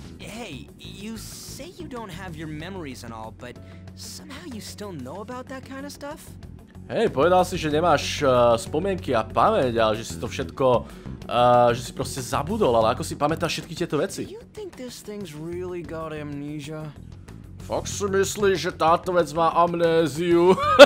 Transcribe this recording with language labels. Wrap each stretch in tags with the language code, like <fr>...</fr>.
<en>Hej, you say you don't have your memories and all, but somehow you still know about that kind of stuff?</en> <sk>Hej, povedal si, že nemáš spomienky a pamäť, ale že si to všetko, že si proste zabudol, ale ako si pamätáš všetky tieto veci?</sk> <en>You think this thing's really got amnesia?</en> <sk>Fak si myslíš, že táto vec má amnéziu?</sk>